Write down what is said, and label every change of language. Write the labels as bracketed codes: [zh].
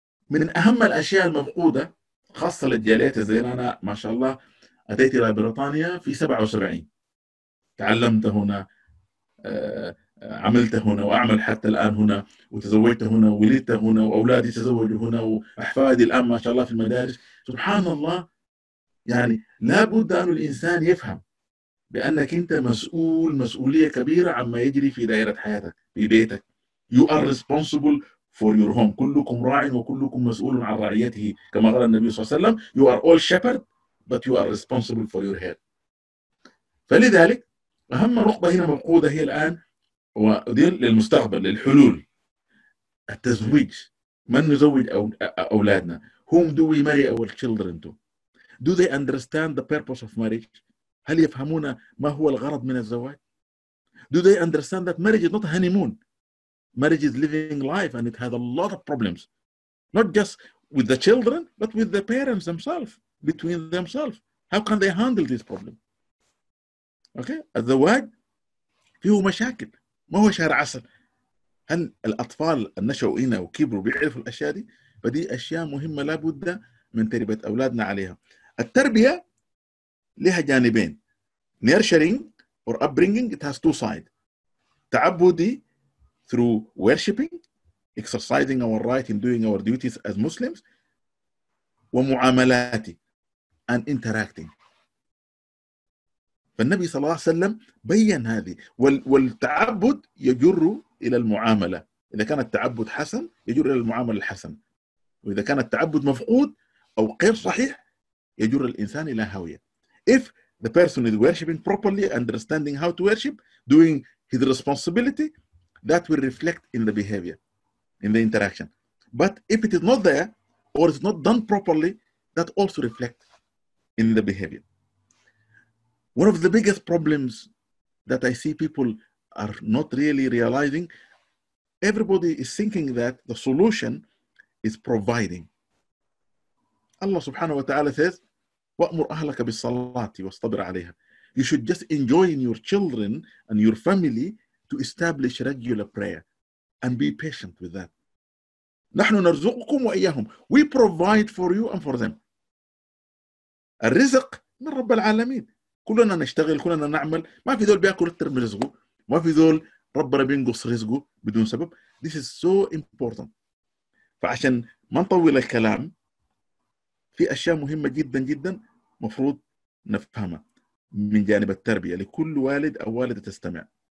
[ar] من أهم الأشياء المفقودة خاصة للجاليات زينا، أنا ما شاء الله أتيت إلى بريطانيا في 77، تعلمت هنا عملت هنا وأعمل حتى الآن هنا وتزوجت هنا ولدت هنا وأولادي تزوجوا هنا وأحفادي الآن ما شاء الله في المدارس. سبحان الله، يعني لابد أن الإنسان يفهم بأنك أنت مسؤول مسؤولية كبيرة عما يجري في دائرة حياتك في بيتك. [en] You are responsible for your home. [ar] كلكم راع وكلكم مسؤول عن رعيته كما قال النبي صلى الله عليه وسلم. [en] You are all shepherd but you are responsible for your head. [ar] فلذلك أهم نقطة هنا موجودة هي الآن ودين للمستقبل للحلول التزويج. من نزوج أولادنا؟ [en] Whom do we marry our children to? Do they understand the purpose of marriage? [ar] هل يفهمون ما هو الغرض من الزواج؟ [en] Do they understand that marriage is not a honeymoon? Marriage is living life and it has a lot of problems. Not just with the children, but with the parents themselves, between themselves. How can they handle this problem? [ar] Okay? الزواج فيه مشاكل. ما هو شهر عسل؟ هل الأطفال النشأوا هنا وكبروا بيعرفوا الأشياء دي؟ فدي أشياء مهمة لابد من تربية أولادنا عليها. التربية لها جانبين. [en] Nurturing or upbringing, it has two sides. تعبدي through worshipping, exercising our right in doing our duties as Muslims, ومعاملاتي and interacting. [ar] فالنبي صلى الله عليه وسلم بيّن هذه. والتعبد يجر إلى المعاملة. إذا كان التعبد حسن يجر إلى المعاملة الحسن، وإذا كان التعبد مفقود أو غير صحيح يجر الإنسان إلى هاوية. [en] If the person is worshipping properly, understanding how to worship, doing his responsibility, that will reflect in the behavior, in the interaction. But if it is not there or it's not done properly, that also reflects in the behavior. One of the biggest problems that I see people are not really realizing, everybody is thinking that the solution is providing. Allah subhanahu wa ta'ala says, [ar] وَأْمُرْ أَهْلَكَ بِالصَّلَاةِ وَاسْطَبِرْ عَلَيْهَا. [en] You should just enjoy in your children and your family to establish regular prayer and be patient with that. [ar] نَحْنُ نَرْزُقُكُمْ وَإِيَّهُمْ. [en] We provide for you and for them. [ar] الرزق من رب العالمين. كلنا نشتغل كلنا نعمل، ما في ذول بيأكل أكثر من رزقه، ما في ذول ربنا بينقص رزقه بدون سبب. [en] This is so important. [ar] فعشان ما نطول الكلام، في أشياء مهمة جدا جدا مفروض نفهمها من جانب التربية لكل والد أو والدة تستمع.